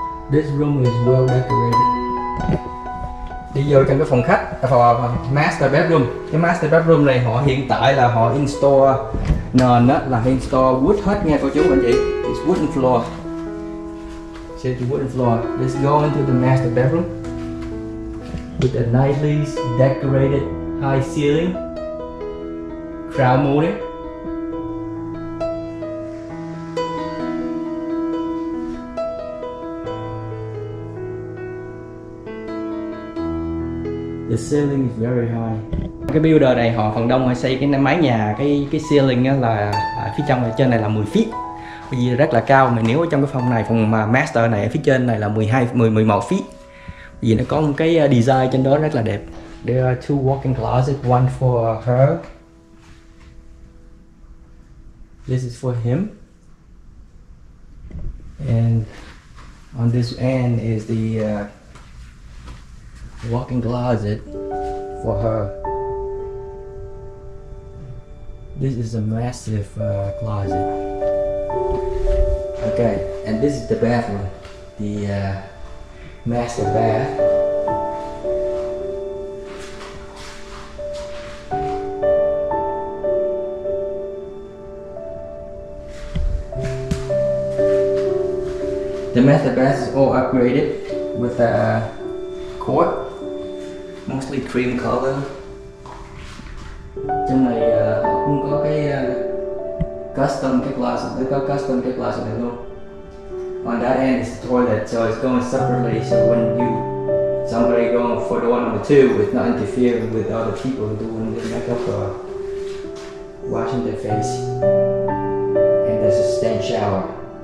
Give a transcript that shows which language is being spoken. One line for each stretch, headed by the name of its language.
English: This room is well decorated.
Vietnamese: Đi vô trong cái phòng khách, phòng master bedroom. Cái master bedroom này họ hiện tại là họ install nền á, là install wood hết nha cô chú anh chị.
English: It's wooden floor. See the wooden floor. Let's go into the master bedroom with a nicely decorated high ceiling, crown molding. The ceiling is very high.
Vietnamese: Cái builder này họ phần đông họ xây cái mái nhà, cái ceiling là ở phía trong ở trên này là 10 feet. Bởi vì rất là cao, mà nếu ở trong cái phòng này, phòng master này ở phía trên này là 11 feet. Bởi vì nó có một cái design trên đó rất là đẹp.
English: There are two walk-in closets, one for her This is for him. And on this end is the walk-in closet for her. This is a massive closet. Okay, and this is the bathroom, the master bath. The master bath is all upgraded with a quartz, mostly cream color.
Vietnamese: Trong này cũng có cái custom cái closet, nó có custom cái closet này luôn.
English: On that end is the toilet, so it's going separately. So when you somebody going for the one number two, it's not interfering with other people doing their makeup or washing their face. And there's a stand shower.